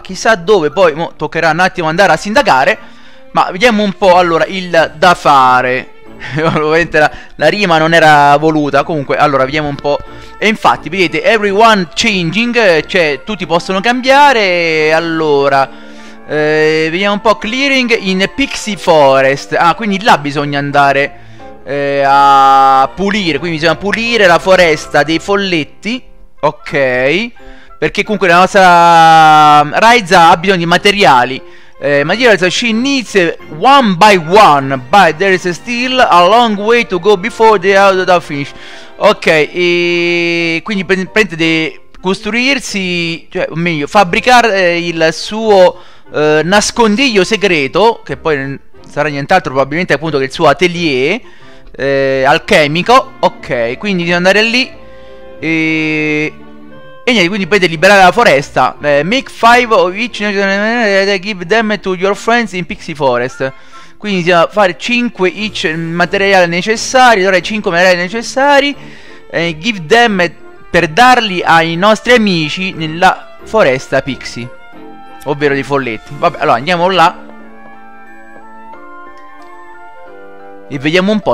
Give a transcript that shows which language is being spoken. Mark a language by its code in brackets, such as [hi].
[it] Chissà dove, poi toccherà un attimo andare a sindacare. Ma vediamo un po', allora, il da fare. Ovviamente la rima non era voluta. Comunque, allora, vediamo un po'. E infatti, vedete, [en] everyone changing, [it] cioè tutti possono cambiare. Allora, vediamo un po'. [en] Clearing in Pixie Forest. [it] Ah, quindi là bisogna andare a pulire. Quindi bisogna pulire la foresta dei folletti. Ok, perché comunque la nostra Raiza ha bisogno di materiali. [en] Materials she needs one by one, but there is still a long way to go before the other finish. [it] Ok, e quindi prende di costruirsi, cioè meglio, fabbricare il suo nascondiglio segreto, che poi sarà nient'altro probabilmente appunto che il suo atelier alchemico. Ok, quindi di andare lì e niente, quindi potete liberare la foresta. [en] Make five of each and give them to your friends in Pixie Forest. [it] Quindi bisogna fare 5 each materiali necessari. Allora, 5 materiali necessari. [en] Give them [it] per darli ai nostri amici nella foresta Pixie, ovvero dei folletti. Vabbè, allora andiamo là e vediamo un po'.